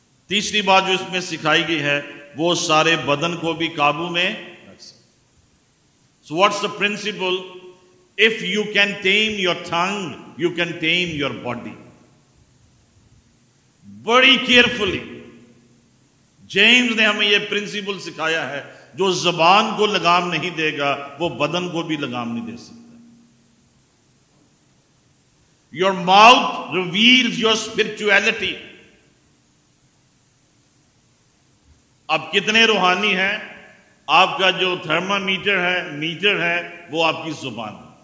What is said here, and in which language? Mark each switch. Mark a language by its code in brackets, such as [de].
[ur] تیسری بات جو اس میں سکھائی گئی ہے، وہ سارے بدن کو بھی قابو میں رکھ سکتے. [en] So what's the principle? If you can tame your tongue, you can tame your body. [ur] بڑی کیئرفلی جیمز نے ہمیں یہ پرنسپل سکھایا ہے، جو زبان کو لگام نہیں دے گا، وہ بدن کو بھی لگام نہیں دے سکتا. [en] Your mouth reveals your spirituality. [ur] آپ کتنے روحانی ہیں, آپ کا جو تھرمامیٹر ہے, میٹر ہے, وہ آپ کی زبان.